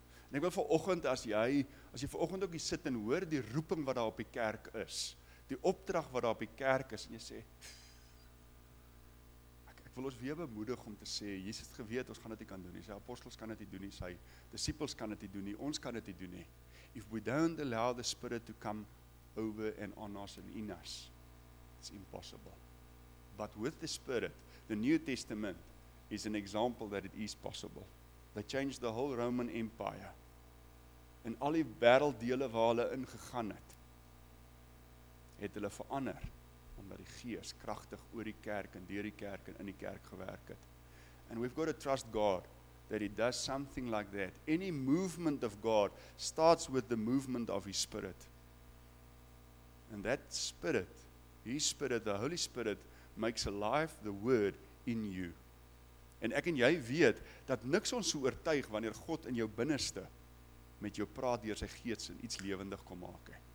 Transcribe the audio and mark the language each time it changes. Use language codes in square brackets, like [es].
[af] En ek wil vanoggend, as jy vanoggend ook hier sit en hoor die roeping wat daar op die kerk is, die opdrag wat daar op die kerk is, en jy sê, ek wil ons weer bemoedig om te sê, Jesus het geweet, ons gaan dit nie kan doen nie, sy apostels kan dit nie doen nie, sy disippels kan dit nie doen nie, ons kan dit nie doen nie. If we don't allow the Spirit to come [en] over and on us and in us. It's impossible. But with the Spirit, the New Testament is an example that it is possible. They changed the whole Roman Empire. [af] In al die werelddele waar hulle ingegaan het, het hulle verander, omdat die Gees kragtig oor die kerk en deur die kerk en in die kerk gewerk het. [en] And we've got to trust God that He does something like that. Any movement of God starts with the movement of His Spirit. And that Spirit, His Spirit, the Holy Spirit, makes alive the Word in you. [af] En ek en jy weet, dat niks ons so oortuig wanneer God in jou binneste met jou praat deur sy gees en iets lewendig kom maak.